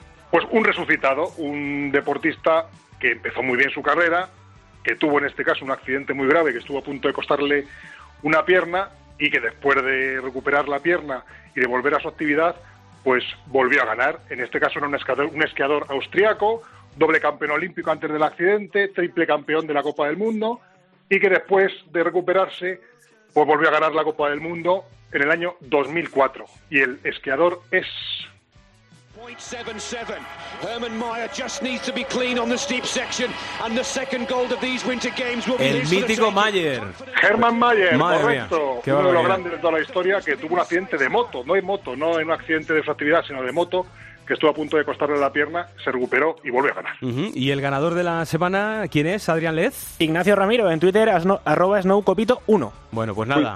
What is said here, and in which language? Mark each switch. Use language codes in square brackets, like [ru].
[es] Pues un resucitado, un deportista que empezó muy bien su carrera, que tuvo en este caso un accidente muy grave, que estuvo a punto de costarle una pierna y que después de recuperar la pierna y de volver a su actividad, pues volvió a ganar. En este caso era un esquiador austriaco, doble campeón olímpico antes del accidente, triple campeón de la Copa del Mundo, y que después de recuperarse, pues volvió a ganar la Copa del Mundo en el año 2004. Y el esquiador es... 0.77. Herman [en] Meyer just needs to be clean on the steep section, and the second gold of these Winter Games will be [es] el mítico Mayer. Herman Mayer, correcto. Uno de los grandes de toda la historia, que tuvo un accidente de moto, no en un accidente de fractividad, sino de moto, que estuvo a punto de costarle la pierna, se recuperó y volvió a ganar. Uh-huh. Y el ganador de la semana, ¿quién es? ¿Adrián Lez? Ignacio Ramiro, en Twitter, @snowcopito1. Bueno, pues nada.